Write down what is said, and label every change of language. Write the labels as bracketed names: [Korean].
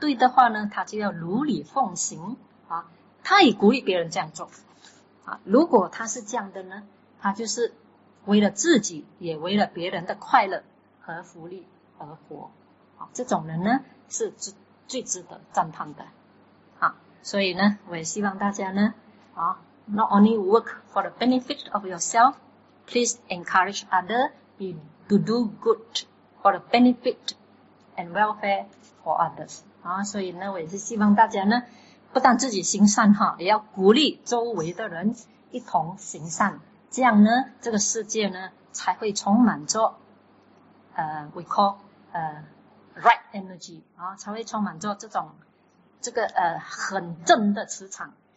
[Chinese] 对的话呢，他就要如理奉行啊。他也鼓励别人这样做啊。如果他是这样的呢，他就是为了自己，也为了别人的快乐和福利而活啊。这种人呢是最值得赞叹的啊。所以呢，我也希望大家呢。 [English] Not only work for the benefit of yourself, please encourage others to do good for the benefit and welfare for others. [Chinese] 所以呢，我也是希望大家呢，不但自己行善，也要鼓励周围的人一同行善。这样呢，这个世界呢，才会充满着 [English] we call right energy, [Chinese] 才会充满着这种这个很正的磁场。